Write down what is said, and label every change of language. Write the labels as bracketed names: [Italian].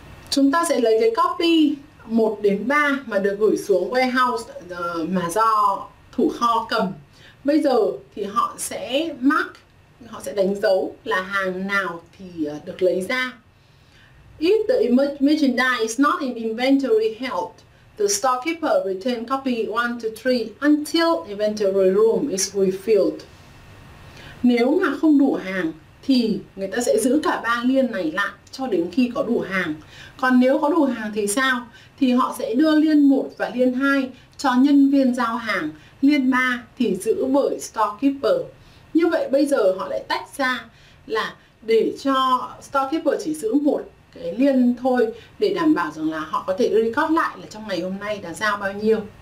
[Vietnamese] Chúng ta sẽ lấy cái copy 1 đến 3 mà được gửi xuống warehouse mà do thủ kho cầm. Bây giờ thì họ sẽ mark, họ sẽ đánh dấu là hàng nào thì được lấy ra. [English] If the merchandise is not in inventory held, the storekeeper retain copy 1 to 3 until inventory room is refilled. [Vietnamese] Nếu mà không đủ hàng thì người ta sẽ giữ cả ba liên này lại cho đến khi có đủ hàng. Còn nếu có đủ hàng thì sao? Thì họ sẽ đưa liên 1 và liên 2 cho nhân viên giao hàng, liên 3 thì giữ bởi storekeeper. Như vậy bây giờ họ lại tách ra là để cho storekeeper chỉ giữ một cái liên thôi để đảm bảo rằng là họ có thể record lại là trong ngày hôm nay đã giao bao nhiêu.